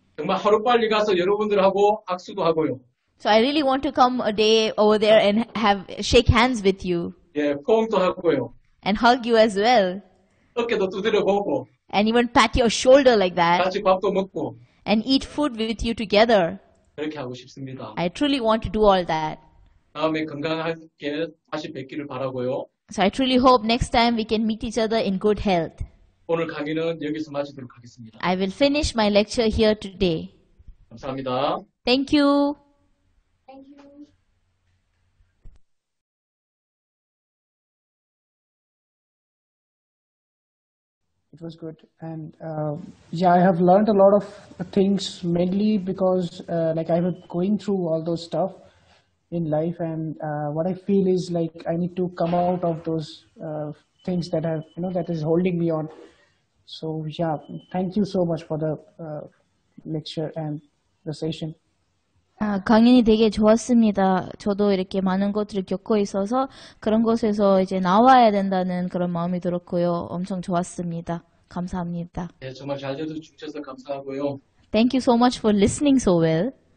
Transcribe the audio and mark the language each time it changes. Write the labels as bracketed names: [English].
[Korean] 정말 하루빨리 가서 여러분들하고 악수도 하고요. [English] So I really want to come a day over there and shake hands with you. [Korean] 예, 포옹도 하고요. [English] And hug you as well. [Korean] 어깨도 두드려보고. [English] And even pat your shoulder like that. [Korean] 같이 밥도 먹고. [English] And eat food with you together. [Korean] 그렇게 하고 싶습니다. [English] I truly want to do all that. [Korean] 다음에 건강하게 다시 뵙기를 바라고요. [English] So I truly hope next time we can meet each other in good health. [Korean] 오늘 강의는 여기서 마치도록 하겠습니다. [English] I will finish my lecture here today. [Korean] 감사합니다. [English] Thank you. It was good, and yeah, I have learned a lot of things, mainly because like I was going through all those stuff in life, and what I feel is like I need to come out of those things that have, you know, that is holding me on. So yeah, thank you so much for the lecture and the session. [Korean] 아, 강연이 되게 좋았습니다. 저도 이렇게 많은 것들을 겪고 있어서 그런 곳에서 이제 나와야 된다는 그런 마음이 들었고요. 엄청 좋았습니다. 감사합니다. 네, 정말 잘 들어주셔서 감사하고요. [English] Thank you so much for listening so well.